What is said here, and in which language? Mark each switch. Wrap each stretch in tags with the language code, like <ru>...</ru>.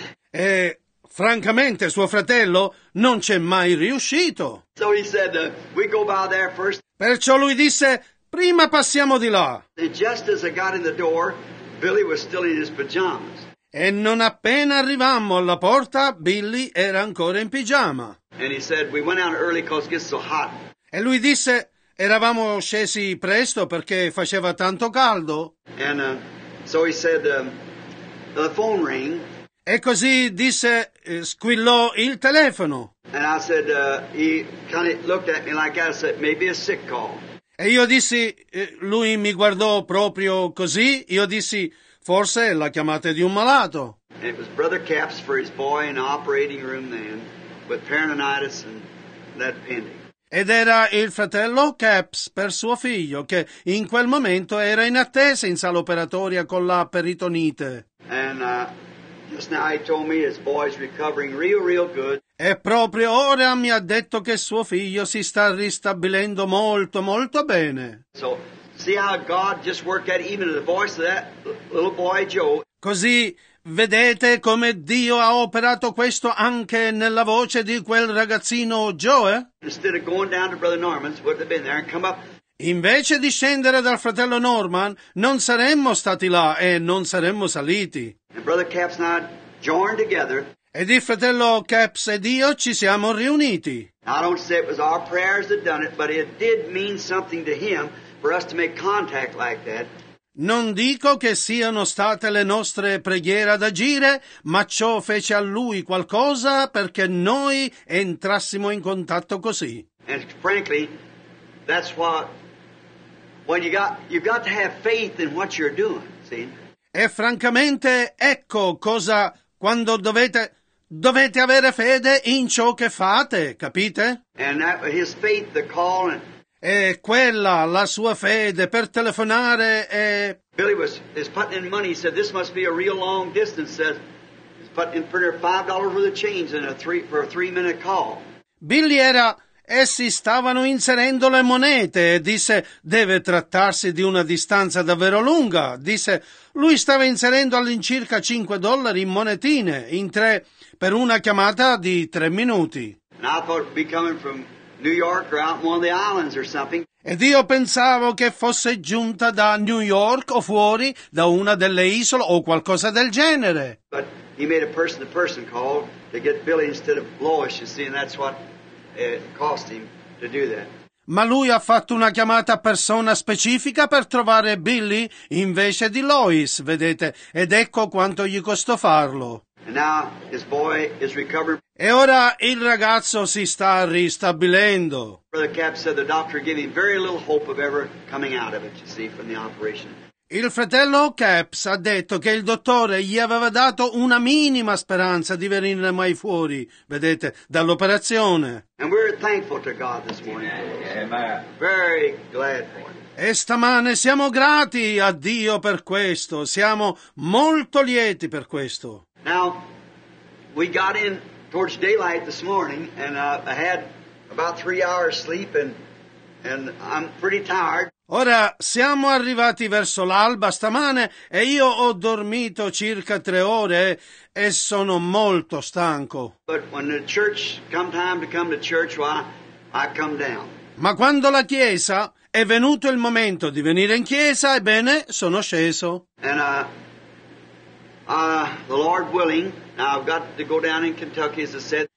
<it>E francamente, suo fratello non c'è mai riuscito.</it> <en>So he said, we go by there first.</en> <it>Perciò lui disse, prima passiamo di là.</it> <en>And just as I got in the door, Billy was still in his pajamas.</en> <it>E non appena arrivammo alla porta, Billy era ancora in pigiama.</it> <en>And he said, we went out early 'cause it gets so hot.</en> <it>E lui disse, eravamo scesi presto perché faceva tanto caldo.</it> <en>And so he said, the phone rang.</en> <it>E così disse, squillò il telefono.</it> <en>And I said, he kind of looked at me like I said, maybe a sick call.</en> <it>E io dissi, lui mi guardò proprio così, io dissi, forse la chiamata di un malato.</it> <en>And it was Brother Capps for his boy in the operating room then, with peritonitis and lead pending.</en> <it>Ed era il fratello Capps per suo figlio che in quel momento era in attesa in sala operatoria con la peritonite.</it> <en>And just now he told me his boy's recovering real, real good.</en> <it>E proprio ora mi ha detto che suo figlio si sta ristabilendo molto, molto bene.</it> <en>So, see how God just worked out even the voice of that little boy Joe.</en> <it>Così vedete come Dio ha operato questo anche nella voce di quel ragazzino Joe?</it> <en>Instead of going down to Brother Norman's, would have been there and come up.</en> <it>Invece di scendere dal fratello Norman, non saremmo stati là e non saremmo saliti.</it> <en>And Brother Capps and I joined together.</en> <it>Ed il fratello Capps ed io ci siamo riuniti.</it> <en>I don't say it was our prayers that done it, but it did mean something to him for us to make contact like that.</en> <it>Non dico che siano state le nostre preghiere ad agire, ma ciò fece a lui qualcosa perché noi entrassimo in contatto così.</it> <en>And frankly, that's what, when you've got to have faith in what you're doing, see?</en> <it>E francamente, ecco cosa, quando dovete avere fede in ciò che fate, capite?</it> <en>And that, his faith, the call and...</en> <it>E quella, la sua fede, per telefonare e...</it> <en>Billy was, is putting in money, he said, this must be a real long distance, says, he's putting in $5 for the change in a three, for a three-minute call.</en> <it>Billy era, essi stavano inserendo le monete, e disse, deve trattarsi di una distanza davvero lunga. Disse, lui stava inserendo all'incirca $5 in monetine, in tre, per una chiamata di 3 minuti.</it> <en>And I thought it'd be coming from... New York or out in one of the islands or something.</en> <it>Ed io pensavo che fosse giunta da New York o fuori da una delle isole o qualcosa del genere.</it> <en>But he made a person-to-person call to get Billy instead of Lois, you see, and that's what it cost him to do that.</en> <it>Ma lui ha fatto una chiamata a persona specifica per trovare Billy invece di Lois, vedete, ed ecco quanto gli costò farlo.</it> <en>And now his boy is recovering.</en> <it>E ora il ragazzo si sta ristabilendo.</it> <en>Brother Cap said the doctor gave him very little hope of ever coming out of it, you see, from the operation.</en> <it>Il fratello Capps ha detto che il dottore gli aveva dato una minima speranza di venire mai fuori, vedete, dall'operazione.</it> <en>And we're thankful to God this morning. Amen. Very glad for it.</en> <it>E stamane siamo grati a Dio per questo. Siamo molto lieti per questo.</it> <en>Now, we got in towards daylight this morning, and I had about 3 hours sleep, and I'm pretty tired.</en> <it>Ora siamo arrivati verso l'alba stamane e io ho dormito circa 3 ore e sono molto stanco.</it> <en>But when the church come time to come to church, well, I come down.</en> <it>Ma quando la chiesa è venuto il momento di venire in chiesa, ebbene, sono sceso.</it> <en>And the Lord willing, now I've got to go down in Kentucky, as I said.</en>